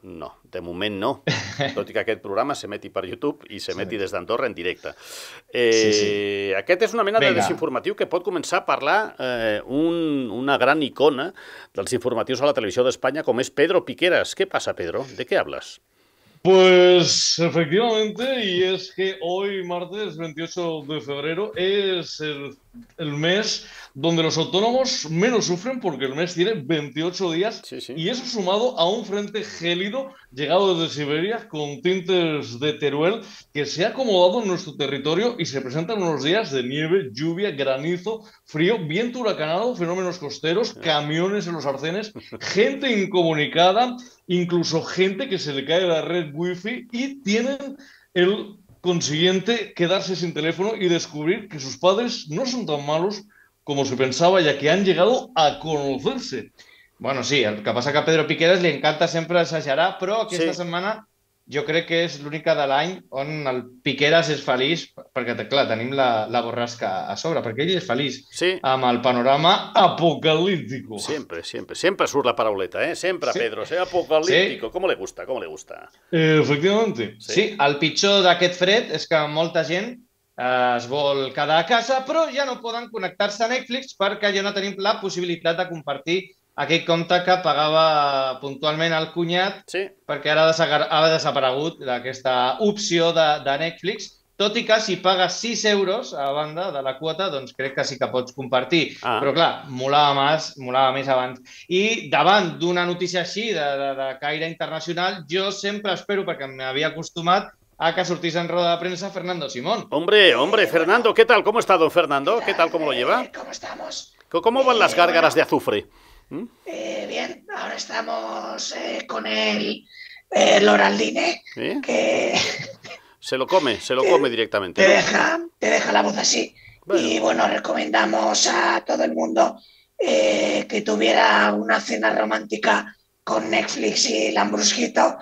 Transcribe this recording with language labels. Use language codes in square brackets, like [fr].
[ca] No, de moment no. Tot i que aquest programa s'emeti per YouTube i s'emeti des d'Andorra en directe. Sí. Aquest és una mena de desinformatiu que pot començar a parlar una gran icona dels informatius a la televisió d'Espanya com és Pedro Piqueras. Què passa, Pedro? De què hables? [es] Pues efectivamente, y es que hoy, martes 28 de febrero, es el mes donde los autónomos menos sufren porque el mes tiene 28 días sí. y eso sumado a un frente gélido llegado desde Siberia con tintes de Teruel que se ha acomodado en nuestro territorio y se presentan unos días de nieve, lluvia, granizo, frío, viento huracanado, fenómenos costeros, camiones en los arcenes, gente incomunicada, incluso gente que se le cae la red wifi y tienen el consiguiente quedarse sin teléfono y descubrir que sus padres no son tan malos como se pensaba, ya que han llegado a conocerse. [ca] Bueno, sí, el que pasa que a Pedro Piqueras li encanta sempre exagerar, però aquesta setmana jo crec que és l'única de l'any on el Piqueras és feliç, perquè, clar, tenim la borrasca a sobre, perquè ell és feliç amb el panorama apocalíptico. Sempre surt la parauleta, eh? Sempre, Pedro, ser apocalíptico. [es] ¿Cómo le gusta? ¿Cómo le gusta? Efectivamente. [ca] Sí, el pitjor d'aquest fred és que molta gent es vol quedar a casa, però ja no poden connectar-se a Netflix perquè ja no tenim la possibilitat de compartir aquell compte que pagava puntualment el cunyat perquè ara ha desaparegut aquesta opció de Netflix. Tot i que si pagues 6 euros a banda de la quota, doncs crec que sí que pots compartir. Ah. Però clar, molava més abans. I davant d'una notícia així de caire internacional, jo sempre espero, perquè m'havia acostumat, a que sortís en roda de premsa Fernando Simón. [es] Hombre, Fernando, ¿qué tal? ¿Cómo está don Fernando? ¿Qué tal? ¿Cómo lo lleva? ¿Cómo estamos? ¿Cómo van las gárgaras de azufre? Bien, ahora estamos con el Oraldine, que... se lo come directamente. Te deja la voz así, Y bueno, recomendamos a todo el mundo que tuviera una cena romántica con Netflix y Lambrusquito,